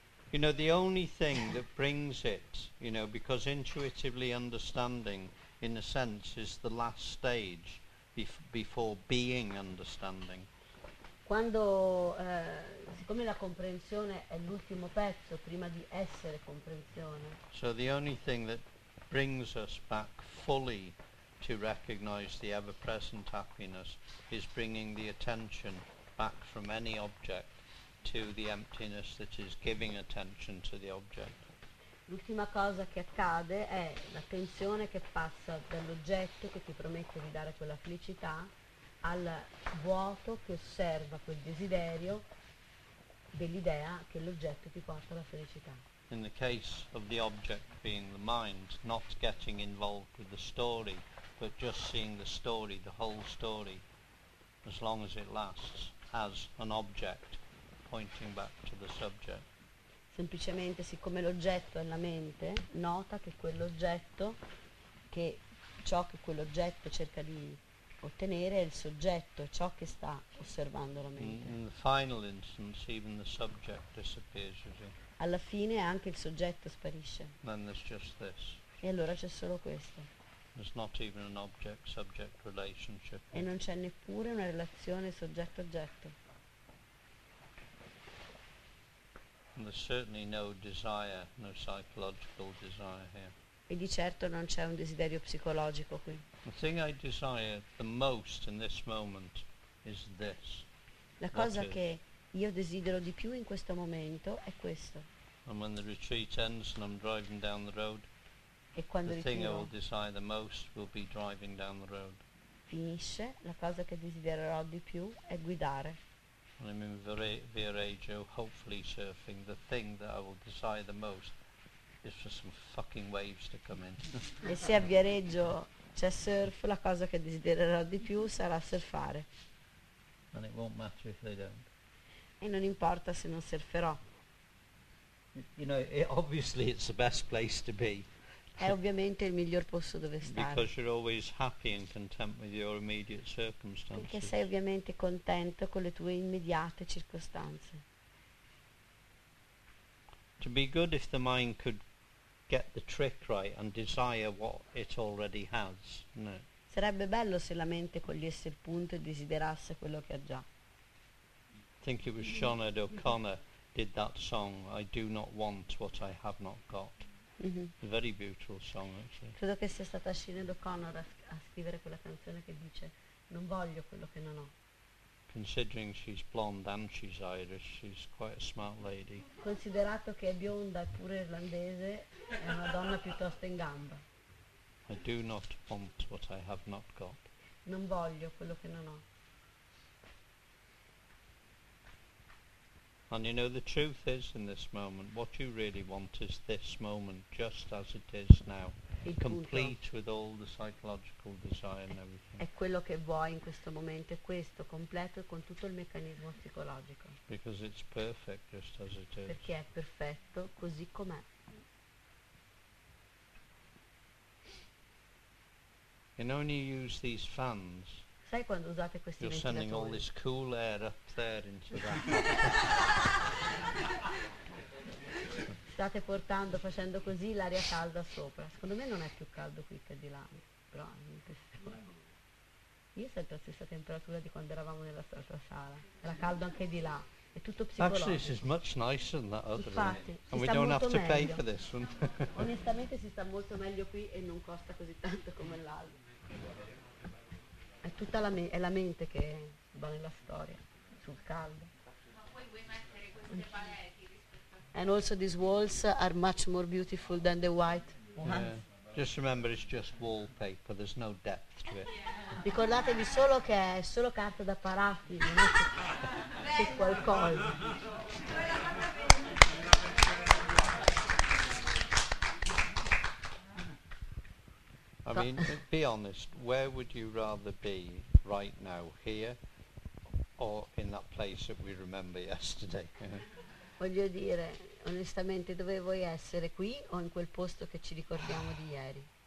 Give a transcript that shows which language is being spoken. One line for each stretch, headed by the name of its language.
English: You know, the only thing that brings it, you know, because intuitively understanding, in a sense, is the last stage before being understanding.
Italian: Quando, siccome la comprensione è l'ultimo pezzo prima di essere comprensione.
English: So the only thing that brings us back fully to recognize the ever-present happiness is bringing the attention back from any object to the emptiness that is giving attention to the object.
Italian: L'ultima cosa che accade è l'attenzione che passa dall'oggetto che ti promette di dare quella felicità al vuoto che osserva quel desiderio dell'idea che l'oggetto ti porta alla felicità.
English: In the case of the object being the mind, not getting involved with the story, but just seeing the story, the whole story, as long as it lasts, as an object pointing back to the subject.
Italian: Semplicemente, siccome l'oggetto è la mente, nota che quell'oggetto, che ciò che quell'oggetto cerca di ottenere è il soggetto, ciò che sta osservando la mente.
English: In the final instance, even the subject disappears, you see.
Italian: Alla fine anche il soggetto sparisce.
English: Then there's just this.
Italian: E allora c'è solo questo.
English: There's not even an object-subject relationship.
Italian: E non c'è neppure una relazione soggetto-oggetto.
English: And there's certainly no desire, no psychological desire here.
Italian: E di certo non c'è un desiderio psicologico qui.
English: The thing I desire the most in this moment is this.
Italian: La cosa che io desidero di più in questo momento è questo.
English: And when the retreat ends and I'm driving down the road,
Italian: e quando
English: the thing I will desire the most will be driving down the road.
Italian: Finisce, la cosa che desidererò di più è guidare.
English: When I'm in Viareggio, hopefully surfing, the thing that I will desire the most is for some fucking waves to come in.
Italian: E se a Viareggio c'è surf, la cosa che desidererò di più sarà surfare.
English: And it won't matter if they don't.
Italian: E non importa se non surferò.
English: You know, obviously it's the best place to be.
Italian: È ovviamente il miglior posto dove stare.
English: Because you're always happy and content with your immediate circumstances.
Italian: Perché sei ovviamente contento con le tue immediate circostanze.
English: To be good if the mind could get the trick right and desire what it already has, no?
Italian: Sarebbe bello se la mente cogliesse il punto e desiderasse quello che ha già.
English: I think it was Seanad O'Connor did that song, I do not want what I have not got. Mm-hmm. A very beautiful song, actually.
Italian: Credo che sia stata Seanad O'Connor a scrivere quella canzone che dice non voglio quello che non ho.
English: Considering she's blonde and she's Irish, she's quite a smart lady.
Italian: Considerato che è bionda e pure irlandese, è una donna piuttosto in gamba.
English: I do not want what I have not got.
Italian: Non voglio quello che non ho.
English: And you know the truth is in this moment, what you really want is this moment, just as it is now,
Italian: il
English: complete
Italian: punto.
English: With all the psychological desire and everything.
Italian: È quello che vuoi in questo momento, è questo, completo con tutto il meccanismo psicologico.
English: Because it's perfect just as it is.
Italian: Perché è perfetto così com'è.
English: You know when you use these fans.
Italian: Sai quando usate questi
English: you're
Italian: ventilatori?
English: Sending all this cool air up there into that.
Italian: State portando, facendo così l'aria calda sopra. Secondo me non è più caldo qui che di là, però niente. Io sento la stessa temperatura di quando eravamo nella nostra sala. Era caldo anche di là. È tutto psicologico.
English: Actually, this is much nicer than that other.
Italian: Infatti,
English: one. And we don't have
Italian: meglio.
English: To pay for this one.
Italian: Onestamente si sta molto meglio qui e non costa così tanto come l'altro. È tutta la è la mente che va nella storia, sul caldo. Ma poi vuoi mettere queste pareti rispetto a.
English: And also these walls are much more beautiful than the white ones. Yeah. Just remember it's just wallpaper, there's no depth to it.
Italian: Ricordatevi solo che è solo carta da parati, non è che qualcosa.
English: I mean, be honest, where would you rather be right now, here or in that place that we remember yesterday.
Italian: Voglio dire, onestamente, dove vuoi essere, qui o in quel posto che ci ricordiamo di ieri?